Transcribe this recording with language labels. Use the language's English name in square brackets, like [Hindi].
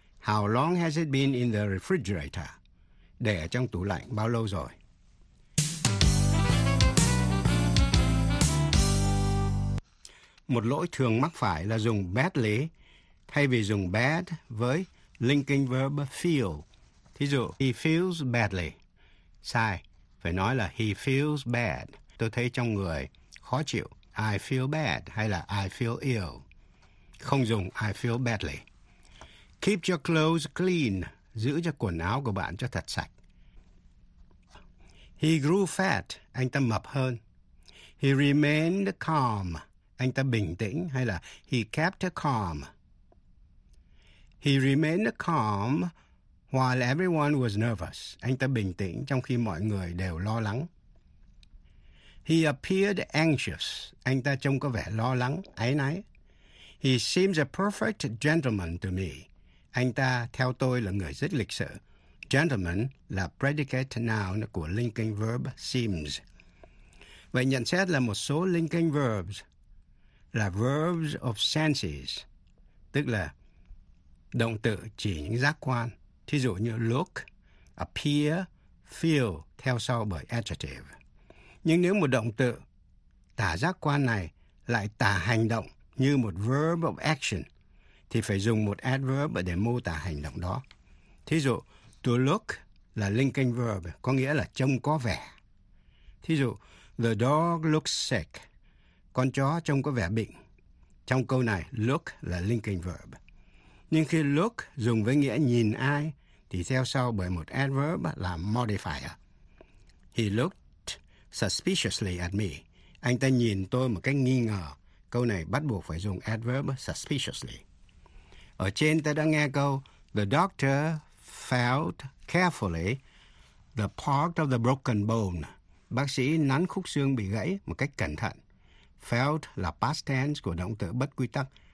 [English] How long has it been in the refrigerator? [Vietnamese] Để ở trong tủ lạnh bao lâu rồi? Một lỗi thường mắc phải là dùng badly thay vì dùng bad với linking verb feel. Thí dụ, [English] he feels badly. [Vietnamese] Sai, phải nói là [English] he feels bad. [Vietnamese] Tôi thấy trong người khó chịu. [English] I feel bad [Vietnamese] hay là [English] I feel ill. [Vietnamese] Không dùng [English] I feel badly. Keep your clothes clean. [Vietnamese] Giữ cho quần áo của bạn cho thật sạch. [English] He grew fat. [Vietnamese] Anh ta mập hơn. [English] He remained calm. [Vietnamese] Anh ta bình tĩnh hay là [English] he kept calm. He remained calm while everyone was nervous. [Vietnamese] Anh ta bình tĩnh trong khi mọi người đều lo lắng. [English] He appeared anxious. [Vietnamese] Anh ta trông có vẻ lo lắng, áy náy. [English] He seems a perfect gentleman to me. [Vietnamese] Anh ta theo tôi là người rất lịch sự. Gentleman là predicate noun của linking verb seems. Vậy nhận xét là một số linking verbs là verbs of senses, tức là động từ chỉ những giác quan. Thí dụ như look, appear, feel theo sau bởi adjective. Nhưng nếu một động từ tả giác quan này lại tả hành động như một verb of action, thì phải dùng một adverb để mô tả hành động đó. Thí dụ, to look là linking verb, có nghĩa là trông có vẻ. Thí dụ, [English] the dog looks sick. [Vietnamese] Con chó trông có vẻ bệnh. Trong câu này, look là linking verb. Nhưng khi look dùng với nghĩa nhìn ai, thì theo sau bởi một adverb là modifier. [English] He looked suspiciously at me. [Vietnamese] Anh ta nhìn tôi một cách nghi ngờ. Câu này bắt buộc phải dùng adverb suspiciously. Ở trên ta đã nghe câu, [English] the doctor felt carefully the part of the broken bone. [Vietnamese] Bác sĩ nắn khúc xương bị gãy một cách cẩn thận. Felt là past tense của động từ bất quy tắc.